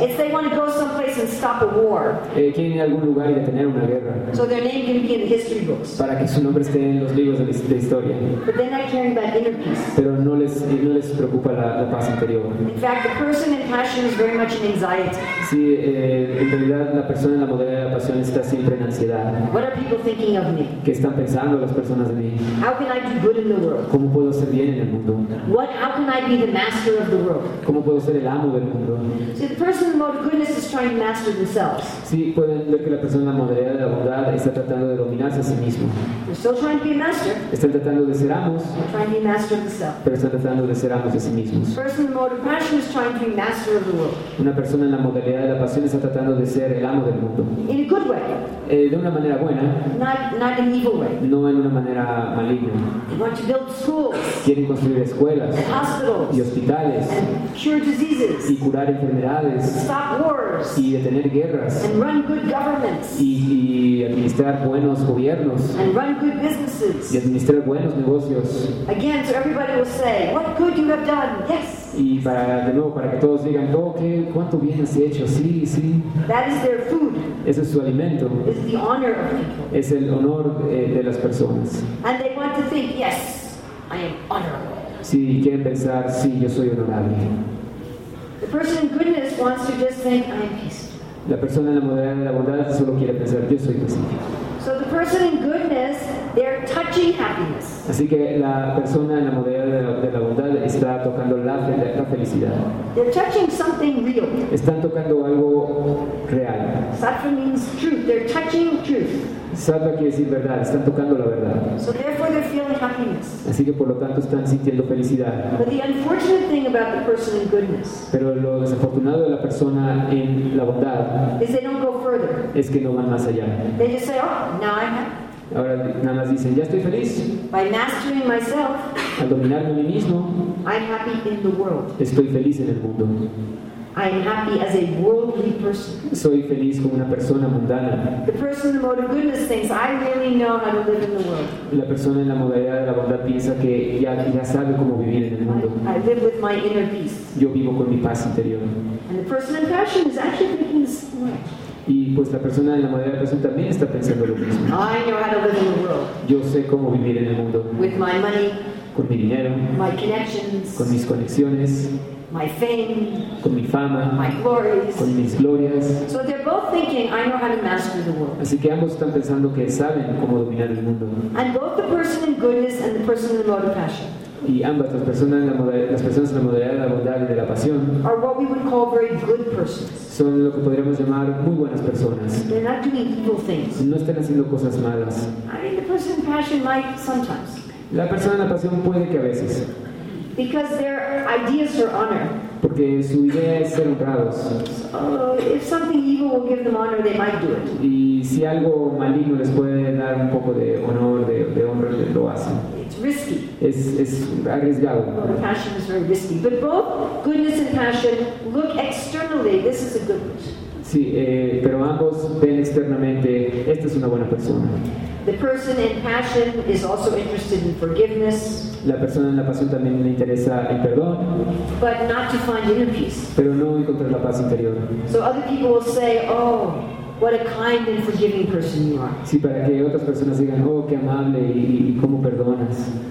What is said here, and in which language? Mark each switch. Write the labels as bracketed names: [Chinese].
[English] if they want to go someplace and stop a war, [Spanish] quieren ir a algún lugar y detener una guerra, [English] so their name can be in the history books. [Spanish] Para que su nombre esté en los libros de historia. [English] But they're not caring about inner peace. [Spanish] Pero no les preocupa la paz interior. [English] In fact, the person in passion is very much in anxiety. [Spanish] Sí, en realidad la persona en la modalidad de la pasión está siempre en ansiedad. [English] What are people thinking of me? [Spanish] ¿Qué están pensando las personas de mí? [English] How can I do good in the world? [Spanish] ¿Cómo puedo hacer bien en el mundo? [English] What? How can I be the master? [Spanish] ¿Cómo puedo ser el amo del mundo? [English] See, the person in the mode of goodness is trying to master themselves. [Spanish] Sí, pueden ver que la persona en la modalidad de la bondad está tratando de dominarse a sí mismo. [English] They're still trying to be a master. [Spanish] Están tratando de ser amos. [English] They're trying to be master of themselves. [Spanish] Pero están tratando de ser amos de sí mismos. [English] The person in the mode of passion is trying to be master of the world. [Spanish] Una persona en la modalidad de la pasión está tratando de ser el amo del mundo. [English] In a good way. [Spanish] De una manera buena. [English] Not in an evil way. [Spanish] No en una manera maligna. [English] They want to build schools. [Spanish] Quieren construir escuelas. [English] And hospitals. [Spanish] Y hospitales. [English] And cure diseases, [Spanish] y curar enfermedades, [English] stop wars, [Spanish] y detener guerras, [English] and run good governments, [Spanish] y administrar buenos gobiernos, [English] and run good businesses, [Spanish] y administrar buenos negocios. [English] Again, so everybody will say, what good you have done. Yes. [Spanish] Y para que todos digan, oh, cuánto bien has hecho. Sí. [English] That is their food. [Spanish] Ese es su alimento. [English] It's the honor of people. [Spanish] Es el honor de las personas. [English] And they want to think, yes, I am honorable. [Spanish] Sí, quieren pensar, sí, yo soy honorable. [English] The person in goodness wants to just think, I am peaceful. [Spanish] La persona en la modalidad de la bondad solo quiere pensar, yo soy pacífico. [English] So the person in goodness, they're touching happiness. [Spanish] Así que la persona en la modalidad de la bondad está tocando la felicidad. [English] They're touching something real. [Spanish] Están tocando algo real. [English] Sattva means truth. They're touching truth. [Spanish] Sattva quiere decir verdad. Están tocando la verdad. [English] So therefore they're feeling happiness. [Spanish] Así que por lo tanto están sintiendo felicidad. [English] But the unfortunate thing about the person in goodness. [Spanish] Pero lo desafortunado de la persona en la bondad. [English] Is they don't go further. [Spanish] Es que no van más allá. [English] They just say, oh, now I'm happy. [Spanish] Ahora nada más dicen, ya estoy feliz. [English] By mastering myself, [Spanish] al dominarme a mí mismo, [English] I'm happy in the world. [Spanish] Estoy feliz en el mundo. [English] I'm happy as a worldly person. [Spanish] Soy feliz como una persona mundana. [English] The person in the mode of goodness thinks, I really know how to live in the world. [Spanish] La persona en la modalidad de la bondad piensa que ya sabe cómo vivir en el mundo. [English] I live with my inner peace. [Spanish] Yo vivo con mi paz interior. [English] And the person in passion is actually thinking this way. [Spanish] Y pues la persona de la madera de presión también está pensando lo mismo. [English] I know how to live in the world. [Spanish] Yo sé cómo vivir en el mundo. [English] With my money, [Spanish] con mi dinero, [English] my connections, [Spanish] con mis conexiones, [English] my fame, [Spanish] con mi fama, [English] my glories, [Spanish] con mis glorias. [English] So they're both thinking, I know how to master the world. [Spanish] Así que ambos están pensando que saben cómo dominar el mundo. [English] And both the person in goodness and the person in the mode of passion. [Spanish] Y ambas, las personas en la modalidad de la bondad y de la pasión, [English] are what we would call very good persons. [Spanish] Son lo que podríamos llamar muy buenas personas. [English] They're not doing evil things. [Spanish] No están haciendo cosas malas. [English] I mean, the person in passion might sometimes. [Spanish] La persona en la pasión puede que a veces. [English] Because their ideas are honor. [Spanish] Porque su idea es ser honrados. [English] If something evil will give them honor, they might do it. [Spanish] Y si algo maligno les puede dar un poco de honor, de honra, lo hacen. [English] Risky. [Spanish] Es arriesgado. [English] Well, the passion is very risky. But both goodness and passion look externally. This is a good person. [Spanish] Sí, pero ambos ven externamente, esta es una buena persona. [English] The person in passion is also interested in forgiveness. [Spanish] La persona en la pasión también le interesa el perdón. [English] But not to find inner peace. [Spanish] Pero no encontrar la paz interior. [English] So other people will say, oh, what a kind and forgiving person you are. [Spanish] Sí, para que otras personas digan, oh, qué amable y cómo perdonas.